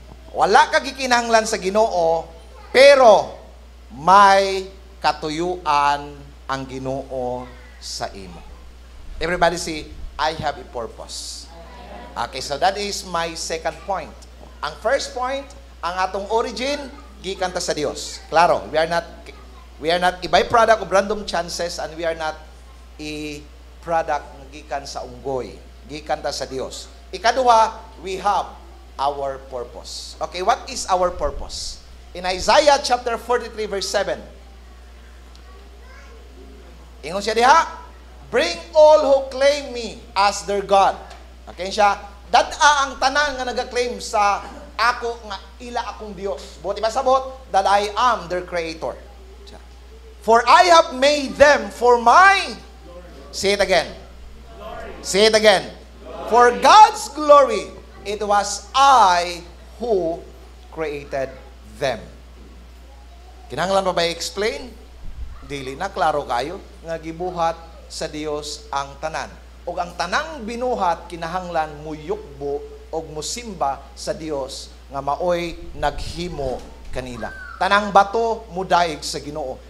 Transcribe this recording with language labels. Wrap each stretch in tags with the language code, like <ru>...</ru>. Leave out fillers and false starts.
<ceb>Wala ka gikinahanglan sa Ginoo, pero may katuyuan ang Ginoo sa imo.</ceb> <en>Everybody see, I have a purpose. Okay, so that is my second point.</en> <ceb>Ang first point, ang atong origin, gikan ta sa Dios.</ceb> <en>Claro, we are not a byproduct of random chances and we are not a product</en> <ceb>gikan sa unggoy. Gikan ta sa Dios.</ceb> <en>Ikaduha, we have our purpose. Okay, what is our purpose? In Isaiah chapter 43 verse 7.</en> <ceb>Ingon siya diha,</ceb> <en>bring all who claim me as their God.</en> <ceb>Okay siya, dadaa ang tanan nga nagaklaim sa ako nga ila akong Dios. Buot ipasabot,</ceb> <en>that I am their creator. For I have made them for my Say it again. Glory. Say it again. Glory. For God's glory, it was I who created them.</en> <ceb>Kinahanglan pa ba i-explain? Dili na, klaro kayo, nga gibuhat sa Dios ang tanan. O ang tanang binuhat, kinahanglan mo yukbo o musimba sa Dios nga maoy naghimo kanila. Tanang bato mudaig sa Ginoo.</ceb>